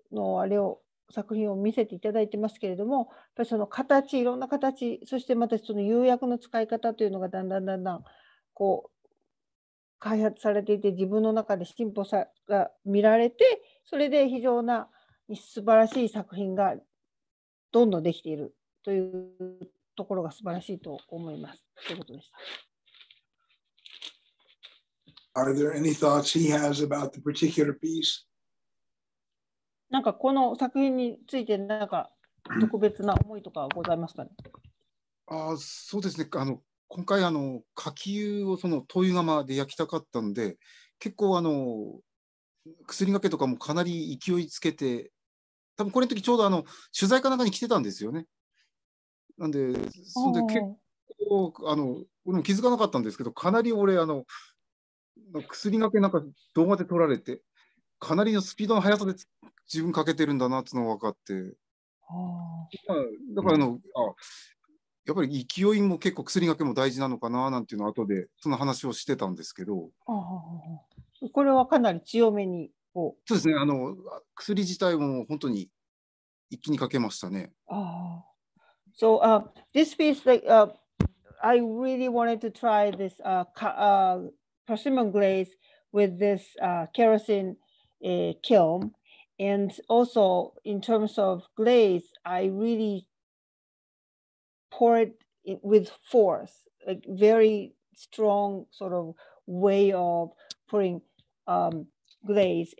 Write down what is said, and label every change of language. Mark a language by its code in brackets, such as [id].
[ja] のあれを作品を見せていただいてますけれども、やっぱりその形、いろんな形、そしてまたその釉薬の使い方というのがだんだんだんだんこう開発されていて、自分の中で進歩さが見られて、それで非常に素晴らしい作品がどんどんできているというところが素晴らしいと思いますということでした。 [en] Are there any thoughts he has about the particular piece? [ja] なんかこの作品についてなんか特別な思いとかございますかね。あ、そうですね。あの今回あの火球をその灯油窯で焼きたかったんで、結構あの薬がけとかもかなり勢いつけて、多分これの時ちょうどあの取材かなんかに来てたんですよね。なんで、そんで結構あの俺も気づかなかったんですけど、かなり俺あの薬がけなんか動画で撮られて、かなりのスピードの速さで自分かけてるんだなってのが分かって、あ、だからあの、うん、あ、やっぱり勢いも結構薬がけも大事なのかななんていうのを後でその話をしてたんですけど、あ、これはかなり強めに、そうですね、あの薬自体も本当に一気にかけましたね。 [en] あ、 So this piece that、I really wanted to try this persimmon glaze with this kerosene kiln. And also in terms of glaze, I really pour it with force, a very strong sort of way of pouring glaze.